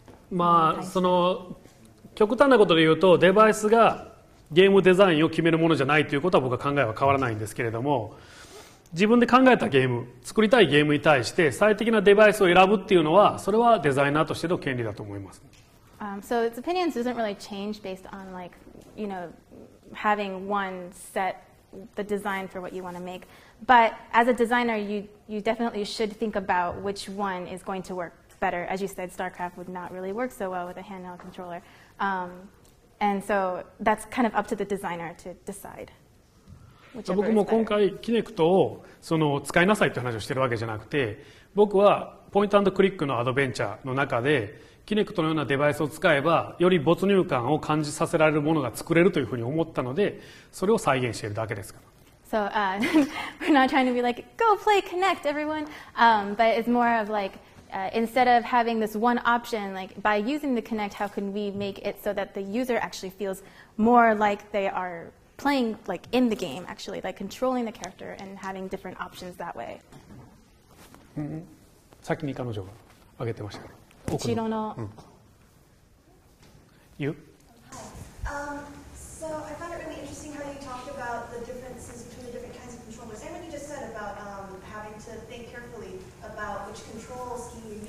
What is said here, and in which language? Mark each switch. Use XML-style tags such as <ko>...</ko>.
<ja>まあ、その極端なことで言うとデバイスがゲームデザインを決めるものじゃないということは僕は考えは変わらないんですけれども自分で考えたゲーム作りたいゲームに対して最適なデバイスを選ぶっていうのはそれはデザイナーとしての権利だと思います、</ja> <en>So its opinions doesn't really change based on like you know having one set the design for what you want to make but as a designer you definitely should think about which one is going to workBetter, as you said, StarCraft would not really work so well with a handheld controller, and so that's kind of up to the designer to decide.</en> <ja>僕も今回 Kinect をその使いなさいって話をしてるわけじゃなくて、僕はポイント&クリックのアドベンチャーの中で Kinect のようなデバイスを使えばより没入感を感じさせられるものが作れるというふうに思ったので、それを再現しているだけですから。</ja> <en>So we're not trying to be like, go play Kinect, everyone, but it's more of like. Instead of having this one option, like by using the Kinect, how can we make it so that the user actually feels more like they are playing like in the game, actually, like controlling the character and having different options that way?</en> <ja>さっきに彼女が挙げてました。後ろの。</ja> <en>You? So I found it really interesting how you talked about the differences between the different kinds of controllers and what you just said about having to think carefully about which control scheme.</en>